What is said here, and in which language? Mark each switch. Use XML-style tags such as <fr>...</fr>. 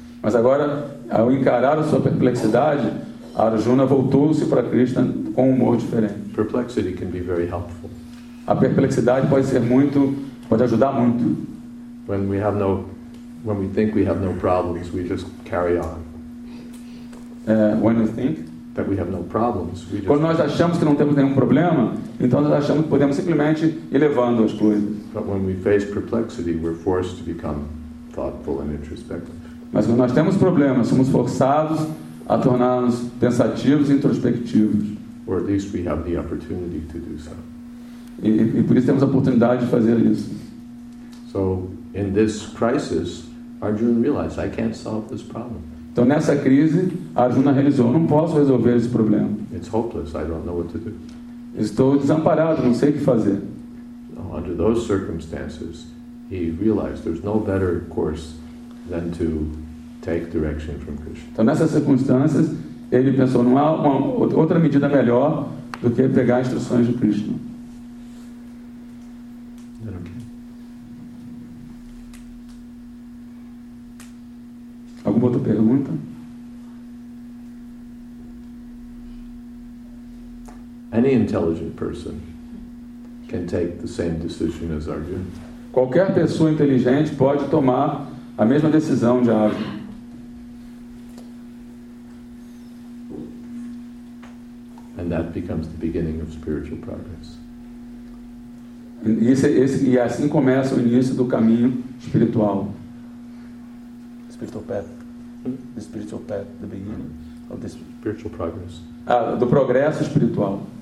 <pt>Mas agora, ao encarar a sua perplexidade, Arjuna voltou-se para Krishna com um humor diferente.</pt> <en>Perplexity can be very helpful.</en> <pt>A perplexidade pode ser muito, pode ajudar muito.</pt> <en>When we have no, when we think we have no problems, we just carry on. When we think that we have no problems, we just.</en> <pt>Quando nós achamos que não temos nenhum problema, então nós achamos que podemos simplesmente ir levando as coisas.</pt> <en>But when we face perplexity, we're forced to become thoughtful and introspective.</en> <pt>Mas quando nós temos problemas, somos forçados a tornar-nos pensativos e introspectivos.</pt> <en>Or at least we have the opportunity to do so.</en> <pt>E por isso temos a oportunidade de fazer isso.</pt> <en>So, in this crisis, Arjuna realized, I can't solve this problem.</en> <pt>Então nessa crise, Arjuna realizou, eu não posso resolver esse problema.</pt> <en>It's hopeless, I don't know what to do.</en> <pt>Estou desamparado, não sei o que fazer.</pt> <en>So, under those circumstances, he realized there's no better course than to take direction from Krishna.</en> <pt>Então nessas circunstâncias, ele pensou, não há uma outra medida melhor do que pegar instruções de Krishna. Alguma outra pergunta?</pt> <en>Any intelligent person can take the same decision as Arjuna.</en> <pt>Qualquer pessoa inteligente pode tomar a mesma decisão de Arjuna.</pt> <en>And that becomes the beginning of spiritual progress.</en> <pt>E assim começa o início do caminho espiritual.</pt> <en>Spiritual path. The spiritual path, the beginning of this spiritual progress.</en> <pt>Ah, do progresso espiritual.</pt>